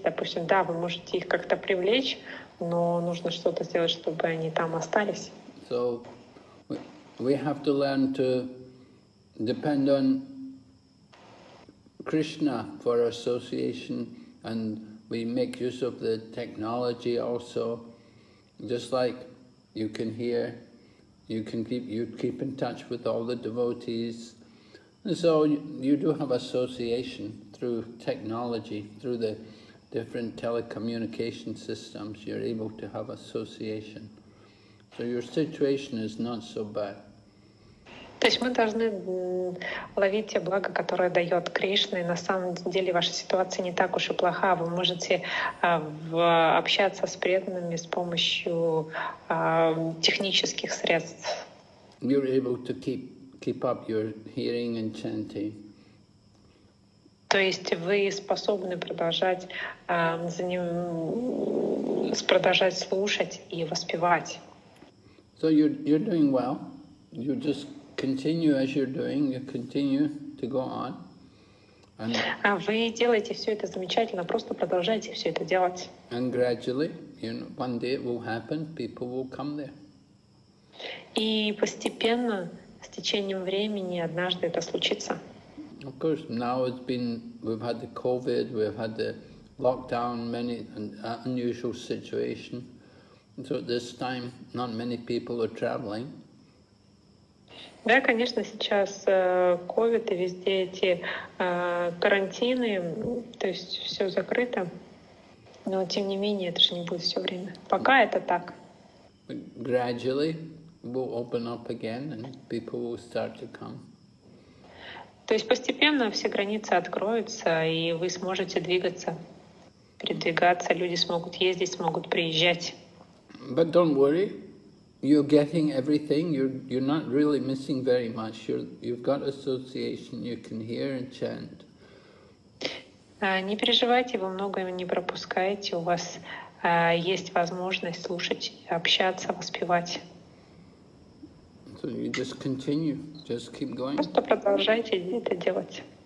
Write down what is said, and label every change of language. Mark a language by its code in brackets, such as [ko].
[ru] Допустим, да, вы можете их как-то привлечь, но нужно что-то сделать, чтобы они там остались. [en] So we have to learn to depend on Krishna for association, and we make use of the technology also. Just like you can hear, you can keep in touch with all the devotees. And so you do have association through technology, through the different telecommunication systems, you're able to have association. So your situation is not so bad. [ru] То есть мы должны ловить те блага, которые дает Кришна, и на самом деле ваша ситуация не так уж и плоха. Вы можете общаться с преданными с помощью технических средств. [en] You're able to keep up your hearing and chanting. [ru] То есть вы способны продолжать продолжать слушать и воспевать. [en] So you're doing well. You just continue as you're doing, you continue to go on. [ru] Вы делаете все это замечательно, просто продолжайте все это делать. [en] And gradually, you know, one day it will happen, people will come there. [ru] И постепенно, с течением времени, однажды это случится. [en] Of course, now it's been, we've had the COVID, we've had the lockdown, many unusual situation. And so at this time, not many people are traveling. [ru] Да, конечно, сейчас COVID и везде эти карантины, то есть все закрыто. Но тем не менее, это же не будет все время. Пока это так. [en] Gradually we'll open up again and people will start to come. [ru] То есть постепенно все границы откроются, и вы сможете двигаться, передвигаться, люди смогут ездить, смогут приезжать. [en] But don't worry. You're getting everything, you're not really missing very much. You've got association, you can hear and chant. [ru] Не переживайте, вы многое не пропускаете. У вас есть возможность слушать, общаться, воспевать. [en] So you just continue, just keep going. [ru] Просто продолжайте это делать.